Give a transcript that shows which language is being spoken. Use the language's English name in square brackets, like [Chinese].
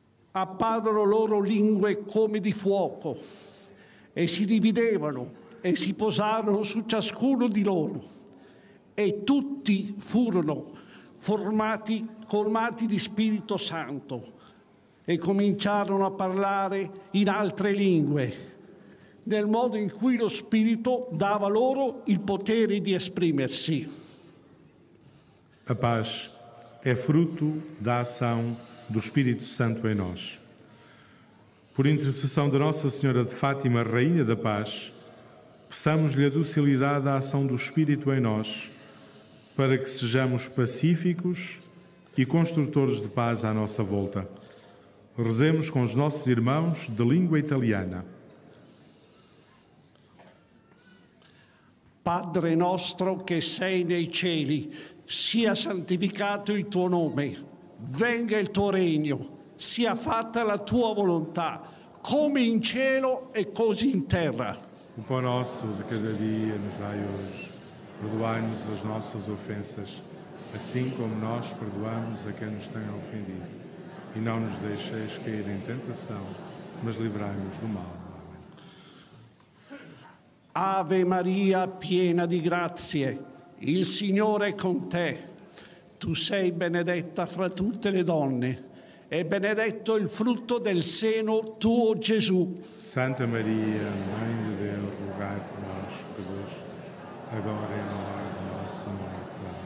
[Italian] Apparvero loro lingue come di fuoco e si dividevano e si posarono su ciascuno di loro, e tutti furono formati, colmati di Spirito Santo, e cominciarono a parlare in altre lingue, nel modo in cui lo Spirito dava loro il potere di esprimersi. [Portuguese] A paz è frutto da ação do Espírito Santo em nós. Por intercessão da Nossa Senhora de Fátima, Rainha da Paz, peçamos-lhe a docilidade à ação do Espírito em nós, para que sejamos pacíficos e construtores de paz à nossa volta. Rezemos com os nossos irmãos de língua italiana. [Italian] Padre nostro che sei nei cieli, sia santificato il tuo nome, venga il tuo regno, sia fatta la tua volontà, come in cielo e così in terra. [Portuguese] O pão nosso de cada dia nos dai hoje, perdoai-nos as nossas ofensas, assim como nós perdoamos a quem nos tem ofendido. E não nos deixeis cair em tentação, mas livrai-nos do mal. [Italian] Ave Maria, piena di grazie, il Signore è con te. Tu sei benedetta fra tutte le donne e benedetto il frutto del seno tuo, Gesù. Santa Maria, Mãe di Dio, rogai per noi peccatori, agora e all'ora della nostra morte.